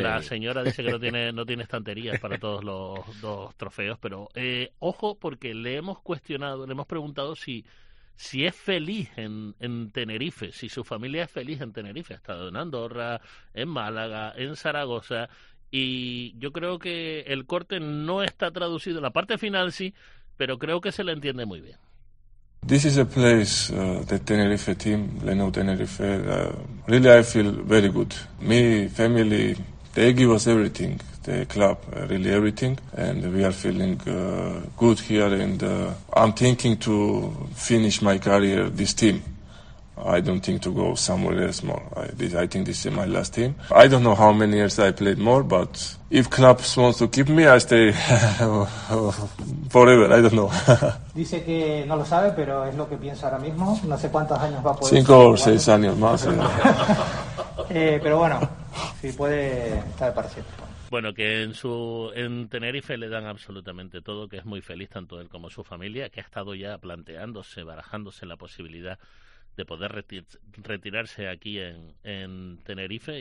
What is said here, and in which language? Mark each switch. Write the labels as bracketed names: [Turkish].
[Spanish] La señora dice que no tiene estanterías para todos los dos trofeos, pero ojo, porque le hemos preguntado si es feliz en Tenerife, si su familia es feliz en Tenerife. Ha estado en Andorra, en Málaga, en Zaragoza. Y yo creo que el corte no está traducido en la parte final, sí, pero creo que se le entiende muy bien. [English] This is a place, the Tenerife team, Lenovo Tenerife. Really, I feel very good. Me, family, they give us everything, the club, really everything. And we are feeling good here, and I'm thinking to finish my career this team. I don't think to go somewhere else more. I think this is my last team. I don't know how many years I played more, but if clubs want to keep me, I stay forever. I don't know. [Spanish] Dice que no lo sabe, pero es lo que piensa ahora mismo. No sé cuántos años va a poder. 5 o 6 años más. pero bueno, si puede estar para siempre. Bueno, que en Tenerife le dan absolutamente todo, que es muy feliz tanto él como su familia, que ha estado ya planteándose, barajándose la posibilidad de poder retirarse aquí en Tenerife.